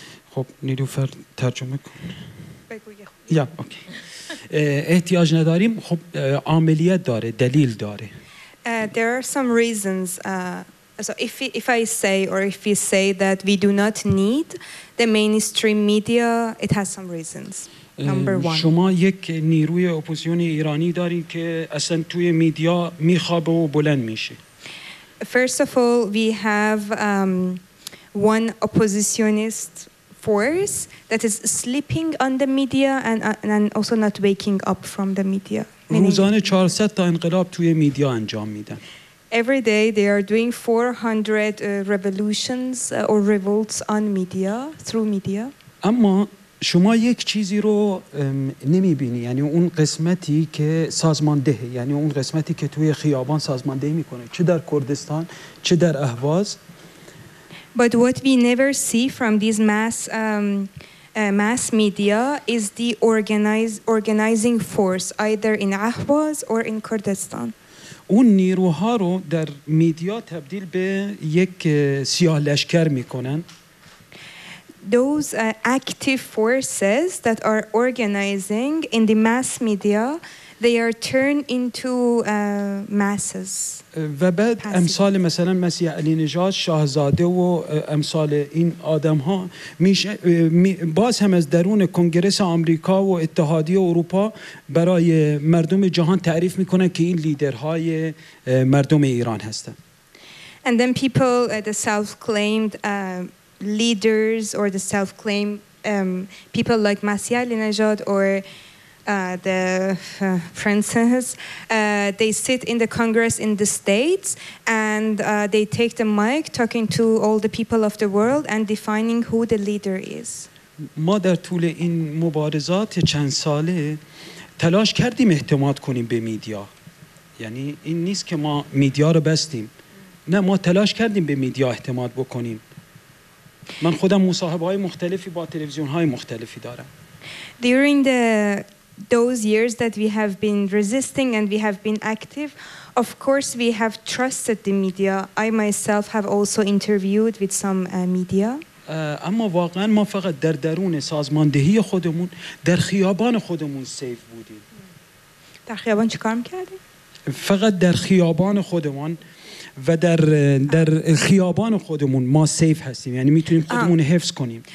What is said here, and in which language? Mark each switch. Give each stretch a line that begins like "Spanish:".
Persian: خب نیلوفر ترجمه کن. احتیاج نداریم. خب عاملیت داره، دلیل داره.
English: There are some reasons. So if I say, or if you say that we do not need the mainstream media, it has some reasons. Number one.
Persian: شما یک نیروی اپوزیسیون ایرانی دارین که اصلا توی میدیا میخوابه و بلند میشه.
English: First of all, we have one oppositionist force that is sleeping on the media and also not waking up from the media.
Persian: روزانه 400 تا انقلاب توی میدیا انجام میدن.
English: Every day they are doing 400 revolutions or revolts on media, through media.
Persian: اما شما یک چیزی رو نمیبینی، یعنی اون قسمتی که سازمانده، یعنی اون قسمتی که توی خیابان سازماندهی میکنه، چه در کردستان چه در اهواز.
English: But what we never see from these mass media is the organizing force, either in Ahvaz or in Kurdistan.
Persian: اون نیروها رو در میدیا تبدیل به یک سیاه لشکر میکنن.
English: Those active forces that are organizing in the mass media, they are turned into masses.
Persian: و بعد امثال مثلا مسیح علی نژاد، شاهزاده و امثال این آدم ها میشه باز هم از درون کنگرس آمریکا و اتحادیه اروپا برای مردم جهان تعریف میکنن که این لیدرهای مردم ایران هستن.
English: And then people, the self-claimed leaders or the self-claimed people like Masih Alinejad or the princess, they sit in the Congress in the States and they take the mic talking to all the people of the world and defining who the leader is.
Persian: ما در طول این مبارزات چند ساله تلاش کردیم اعتماد کنیم به میدیا، یعنی این نیست که ما میدیا رو بستیم، نه، ما تلاش کردیم به میدیا اعتماد بکنیم. من خودم مصاحبه‌های مختلفی با تلویزیون‌های مختلفی دارم.
English: During the those years that we have been resisting and we have been active, of course we have trusted the media. I myself have also interviewed with some media.
Persian: اما واقعا ما فقط در درون سازماندهی خودمون در خیابان خودمون سیف بودیم. در خیابان چی کار میکردیم؟ فقط در خیابان خودمون و در خیابان خودمون ما سیف هستیم، یعنی میتونیم خودمون حفظ کنیم.